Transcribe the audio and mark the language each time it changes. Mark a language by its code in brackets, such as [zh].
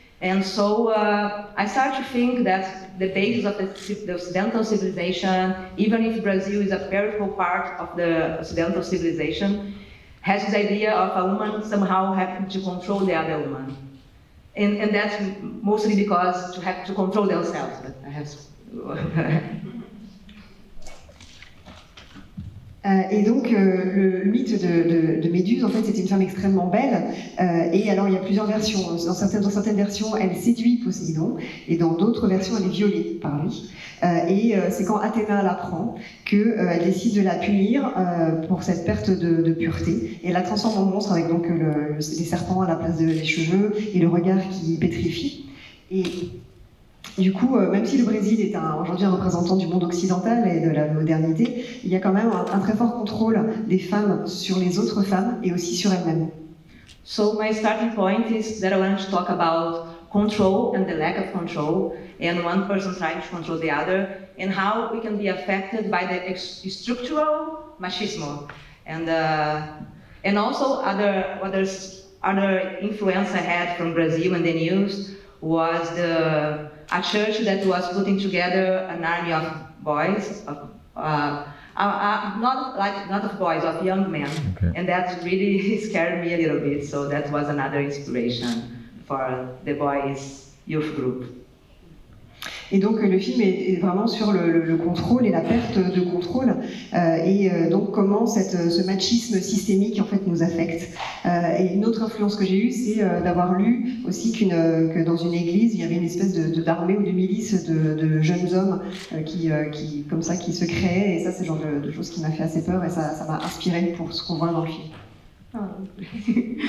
[en] And so I start to think that the basis of the Occidental civilization, even if Brazil is a peripheral part of the Occidental civilization, has this idea of a woman somehow having to control the other woman. And that's mostly because to have to control themselves. But I have to... [fr] Et donc, le mythe de Méduse, en fait, c'est une femme extrêmement belle. Et alors, il y a plusieurs versions. Dans certaines versions, elle séduit Poséidon. Et dans d'autres versions, elle est violée par lui. C'est quand Athéna l'apprend qu'elle décide de la punir pour cette perte de pureté. Et elle la transforme en monstre avec donc les serpents à la place des cheveux et le regard qui pétrifie. Et du coup, même si le Brésil est aujourd'hui un représentant du monde occidental et de la modernité, il y a quand même un très fort contrôle des femmes sur les autres femmes et aussi sur elles-mêmes. [en] So my starting point is that I want to talk about control and the lack of control, and one person trying to control the other, and how we can be affected by the structural machismo, and also other influence I had from Brazil and the news was a church that was putting together an army of boys, of young men, okay. And that really scared me a little bit. So that was another inspiration for the boys youth group. [fr] Et donc le film est vraiment sur le contrôle et la perte de contrôle donc comment ce machisme systémique en fait nous affecte. Et une autre influence que j'ai eue, c'est d'avoir lu aussi que dans une église il y avait une espèce d'armée ou de milice de jeunes hommes qui comme ça qui se créaient, et ça c'est le genre de choses qui m'a fait assez peur et ça m'a inspiré pour ce qu'on voit dans le film.